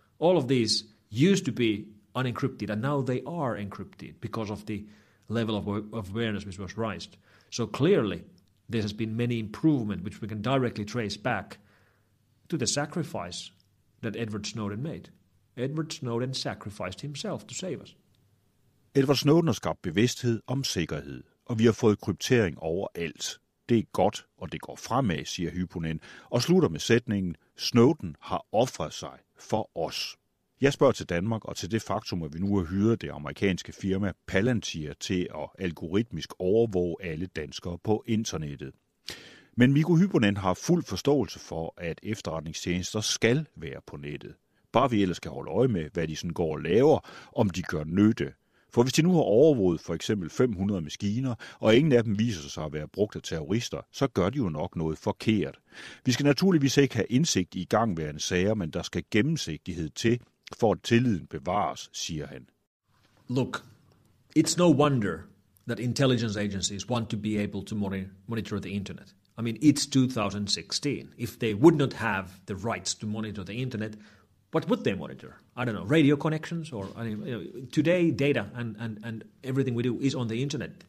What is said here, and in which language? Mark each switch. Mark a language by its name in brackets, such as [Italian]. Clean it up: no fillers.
[English] All of these used to be unencrypted, and now they are encrypted because of the level of awareness which was raised. So clearly, there has been many improvements which we can directly trace back to the sacrifice that Edward Snowden made. Edward Snowden sacrificed himself to save us. [Danish] Edward Snowden har skabt bevidsthed om sikkerhed, og vi har fået kryptering overalt. Det er godt, og det går fremad, siger Hyponen, og slutter med sætningen, Snowden har ofret sig for os. Jeg spørger til Danmark og til det faktum, at vi nu har hyret det amerikanske firma Palantir til at algoritmisk overvåge alle danskere på internettet. Men Mikko Hyponen har fuld forståelse for, at efterretningstjenester skal være på nettet. Bare vi ellers kan holde øje med, hvad de sådan går og laver, om de gør nytte. For hvis de nu har overvåget for eksempel 500 maskiner, og ingen af dem viser sig at være brugt af terrorister, så gør de jo nok noget forkert. Vi skal naturligvis ikke have indsigt i gangværende sager, men der skal gennemsigtighed til, for at tilliden bevares, siger han. [English] Look, it's no wonder that intelligence agencies want to be able to monitor the internet. I mean, it's 2016. If they would not have the rights to monitor the internet, what would they monitor? I don't know, radio connections? Today, data and everything we do is on the internet.